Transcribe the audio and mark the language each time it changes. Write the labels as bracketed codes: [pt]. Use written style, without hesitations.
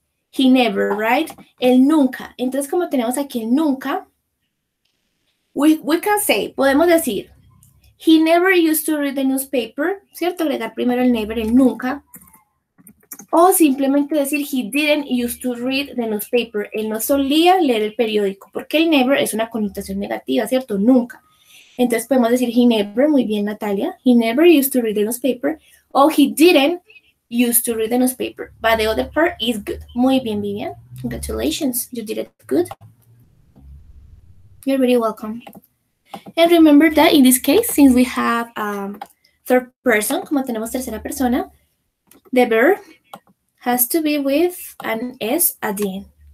[en] He never, right? [es] Él nunca. Entonces, como tenemos aquí el nunca, [en] we can say, [es] podemos decir, [en] he never used to read the newspaper, [es] ¿cierto? Agregar primero el never, el nunca. O simplemente decir, [en] he didn't used to read the newspaper. [es] Él no solía leer el periódico, porque el never es una connotación negativa, ¿cierto? Nunca. Entonces, podemos decir, [en] he never, [es] muy bien, Natalia. [en] He never used to read the newspaper. O he didn't used to read the newspaper, but the other part is good. [es] Muy bien, [en] Vivian. Congratulations. You did it good. You're very welcome. And remember that in this case, since we have third person, [es] como tenemos tercera persona, [en] the verb has to be with an S at the end.